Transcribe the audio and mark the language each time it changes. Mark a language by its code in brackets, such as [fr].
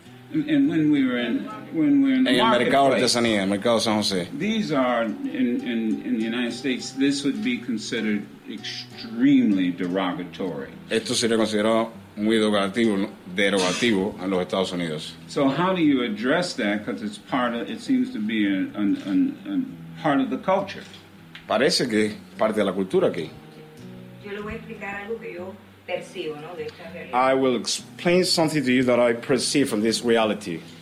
[en] And when we were in [es] el mercado artesanía, el mercado San José. [en] These are in the United States. This would be considered extremely derogatory. [es] Esto sería considerado muy derogativo en los Estados Unidos. [en] So how do you address that? Because it's part of, it seems to be a part of the culture. [es] Parece que parte de la cultura aquí. Yo le voy a explicar algo que yo percibo, ¿no? De esta realidad. [en] I will explain something to you that I perceive from this reality.